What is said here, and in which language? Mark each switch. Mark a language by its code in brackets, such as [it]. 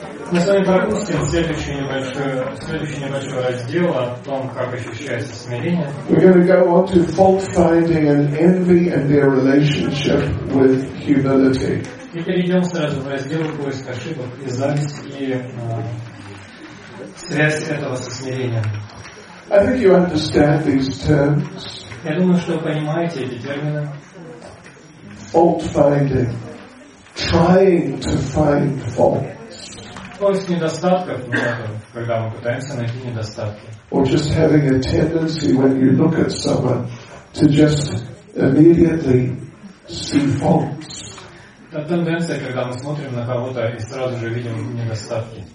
[ru] Мы с вами пропустим следующий небольшой раздел о том, как ощущается смирение. [en] We're going to go on to fault finding and envy and their relationship with humility. [ru] И перейдем сразу в раздел поиск ошибок и зависть и связь этого со смирением. [en] I think you understand these terms. [ru] Я думаю, что вы понимаете эти термины. [en] Fault finding. Trying to find faults. [ru] Поиск недостатков, когда мы пытаемся найти недостатки. [en] Or just having a tendency when you look at someone to just immediately see faults. [ru] Та тенденция, когда мы смотрим на кого-то и сразу же видим недостатки.